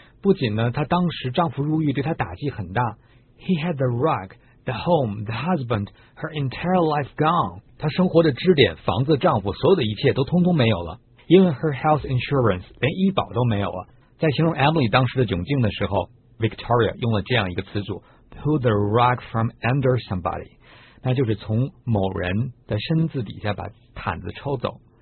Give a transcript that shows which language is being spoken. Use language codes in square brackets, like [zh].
[zh] 不仅呢，她当时丈夫入狱对她打击很大。 [en] He had the rug, the home, the husband, her entire life gone。 [zh] 她生活的支点、房子、丈夫，所有的一切都通通没有了。 [en] Even her health insurance， [zh] 连医保都没有了。在形容 Emily 当时的窘境的时候 ，Victoria 用了这样一个词组 ， [en] pull the rug from under somebody， [zh] 那就是从某人的身子底下把毯子抽走。